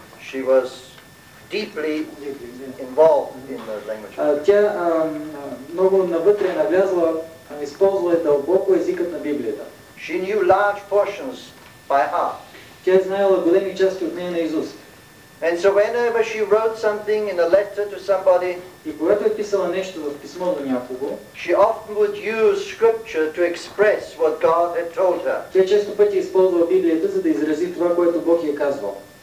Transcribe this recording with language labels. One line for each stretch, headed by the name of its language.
English: She was deeply involved in the language.
Bulgarian: Тя много навътре навлязла, използвала дълбоко езикът на Библията.
English: She knew large portions by heart.
Bulgarian: Тя знаела големи части от нея наизуст.
English: And so whenever she wrote something in a letter to somebody,
Bulgarian: и когато е писала нещо в писмо до някого,
English: she often would use scripture to express what God had told her.
Bulgarian: Тя често пъти използвала Библията, за да изрази това, което Бог ѝ е казвал.